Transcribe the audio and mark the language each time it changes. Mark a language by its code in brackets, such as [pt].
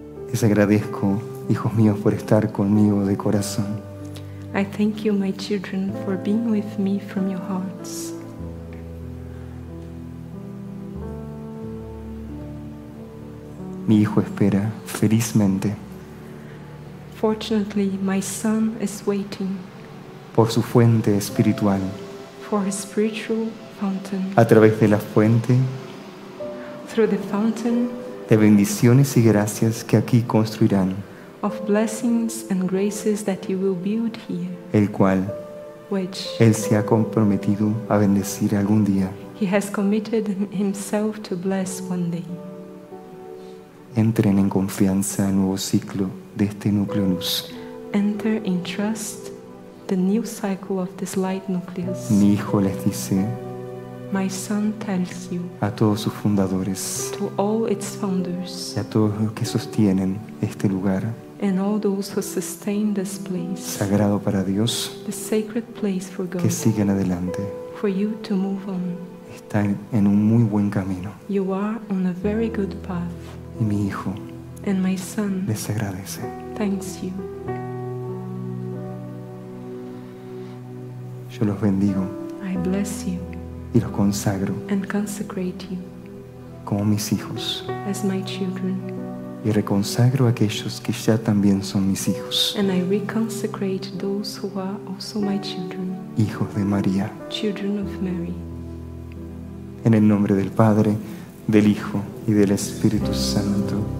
[es] Les agradezco, hijos míos, por estar conmigo de corazón. [en] I thank you, my children, for being with me from your hearts. [es] Mi hijo espera felizmente. [en] Fortunately, my son is waiting. [es] Por su fuente espiritual. [en] For his spiritual fountain. [es] A través de la fuente. [en] Through the fountain. [es] De bendiciones y gracias que aquí construirán. [en] Of blessings and graces that you will build here. [es] El cual. [en] Which. [es] Él se ha comprometido a bendecir algún día. [en] He has committed himself to bless one day. [es] Entren en confianza al nuevo ciclo de este núcleo luz. [en] Enter in trust the new cycle of this light nucleus. [es] Mi hijo les dice. [en] My son tells you, [es] a todos sus fundadores, [en] to all its founders, [es] y a todos los que sostienen este lugar, [en] and all those who sustain this place, [es] sagrado para Dios, [en] the sacred place for God, [es] que sigan adelante, [en] for you to move on. [es] Están en un muy buen camino. [en] You are on a very good path. [es] Y mi hijo, [en] and my son, [es] les agradece. [en] Thanks you. [es] Yo los bendigo. [en] I bless you. [es] Y los consagro [en] and consecrate you [es] como mis hijos [en] as my children. [es] Y reconsagro a aquellos que ya también son mis hijos [en] and I reconsecrate those who are also my children. [es] Hijos de María [en] children of Mary. [es] En el nombre del Padre, del Hijo y del Espíritu Santo.